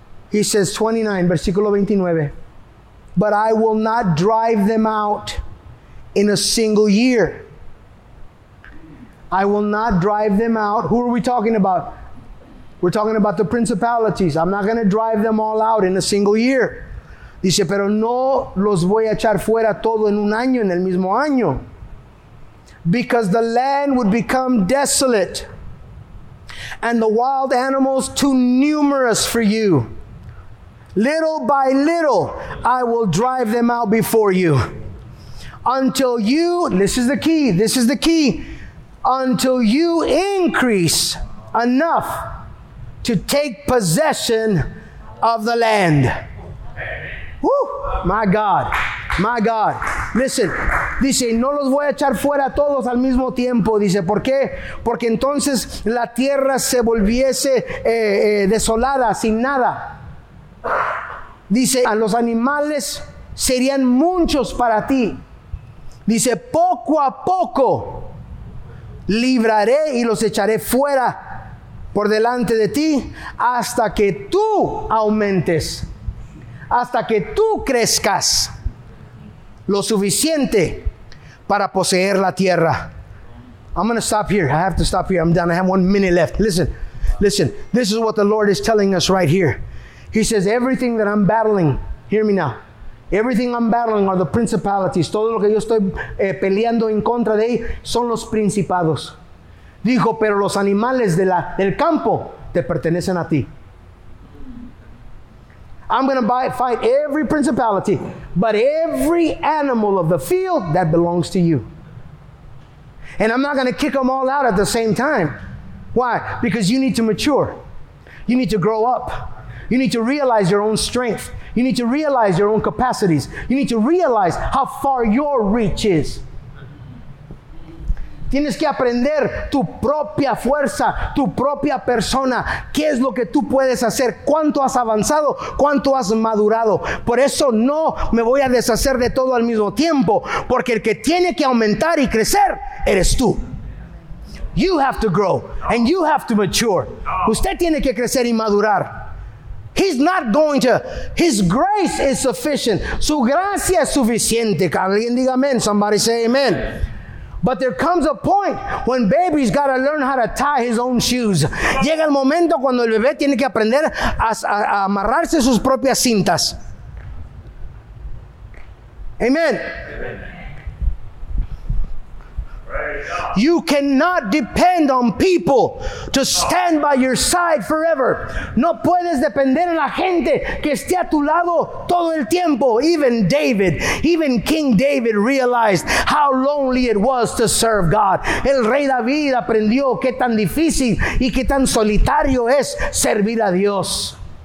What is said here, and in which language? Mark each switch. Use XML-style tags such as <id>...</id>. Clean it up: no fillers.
<en>He says 29, versículo 29. But I will not drive them out in a single year. I will not drive them out. Who are we talking about? We're talking about the principalities. I'm not going to drive them all out in a single year.</en> <es>Dice, pero no los voy a echar fuera todo en un año, en el mismo año.</es> <en>Because the land would become desolate and the wild animals too numerous for you. Little by little, I will drive them out before you. Until you, this is the key. Until you increase enough to take possession of the land. Woo, my God. Listen,</en> <es>dice, no los voy a echar fuera todos al mismo tiempo. Dice, ¿por qué? Porque entonces la tierra se volviese desolada, sin nada. Dice, a los animales serían muchos para ti. Dice, poco a poco libraré y los echaré fuera por delante de ti hasta que tú aumentes, hasta que tú crezcas lo suficiente para poseer la tierra.</es> <en>I'm going to stop here. I have to stop here. I'm done. I have 1 minute left. Listen. This is what the Lord is telling us right here. He says, everything that I'm battling, hear me now. Everything I'm battling are the principalities.</en> <es>Todo lo que yo estoy peleando en contra de ellos son los principados. Dijo, pero los animales de del campo te pertenecen a ti.</es> <en>I'm going to fight every principality, but every animal of the field that belongs to you. And I'm not going to kick them all out at the same time. Why? Because you need to mature. You need to grow up. You need to realize your own strength. You need to realize your own capacities. You need to realize how far your reach is.</en> <es>Tienes que aprender tu propia fuerza, tu propia persona. ¿Qué es lo que tú puedes hacer? ¿Cuánto has avanzado? ¿Cuánto has madurado? Por eso no me voy a deshacer de todo al mismo tiempo. Porque el que tiene que aumentar y crecer eres tú.</es> <en>You have to grow and you have to mature.</en> <es>Usted tiene que crecer y madurar.</es> <en>He's not going to. His grace is sufficient.</en> <es>Su gracia es suficiente. Alguien diga amen.</es> <en>Somebody say amen. But there comes a point when baby's got to learn how to tie his own shoes.</en> <es>Llega el momento cuando el bebé tiene que aprender a amarrarse sus propias cintas.</es> <en>Amen. You cannot depend on people to stand by your side forever.</en> <es>No puedes depender en la gente que esté a tu lado todo el tiempo.</es> <en>Even King David realized how lonely it was to serve God.</en> <es>El rey David aprendió qué tan difícil y qué tan solitario es servir a Dios.</es>